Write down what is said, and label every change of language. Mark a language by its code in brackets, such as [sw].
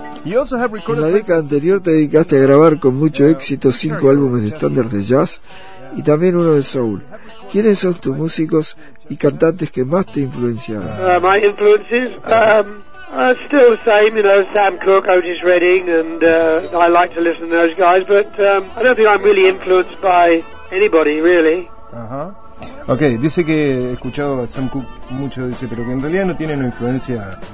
[es] En la década anterior te dedicaste a grabar con mucho éxito 5 álbumes de estándares de jazz y también uno de soul. ¿Quiénes son tus músicos y cantantes que más te influenciaron? [en] My influences, still the same, you know, Sam Cooke, Otis Redding, and I like to listen to those guys, but I don't think I'm really influenced by anybody, really. [es] Okay, dice que he escuchado a Sam Cooke mucho, dice, pero que en realidad no tiene una influencia.